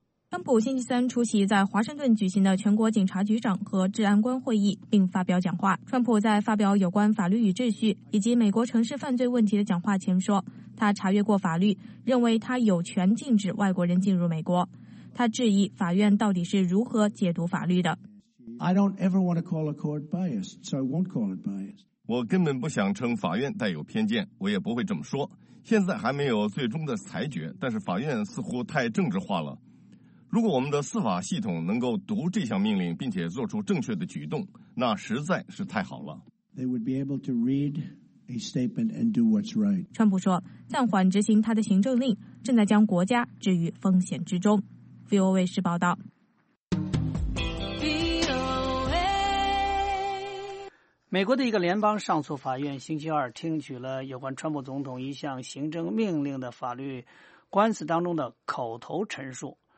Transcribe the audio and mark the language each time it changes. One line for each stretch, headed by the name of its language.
Chinese: 川普星期三出席在华盛顿举行的全国警察局长和治安官会议并发表讲话。川普在发表有关法律与秩序以及美国城市犯罪问题的讲话前说，他查阅过法律，认为他有权禁止外国人进入美国。他质疑法院到底是如何解读法律的。
English: I don't ever want to call a court biased, so I won't call it biased.
Chinese: 我根本不想称法院带有偏见，我也不会这么说。现在还没有最终的裁决，但是法院似乎太政治化了。如果我们的司法系统能够读这项命令并且做出正确的举动，那实在是太好了。
English: They would be able to read a statement and do what's right.
Chinese: 川普说，暂缓执行他的行政令正在将国家置于风险之中。 VOA 是报道。美国的一个联邦上诉法院星期二听取了有关川普总统一项行政命令的法律官司当中的口头陈述。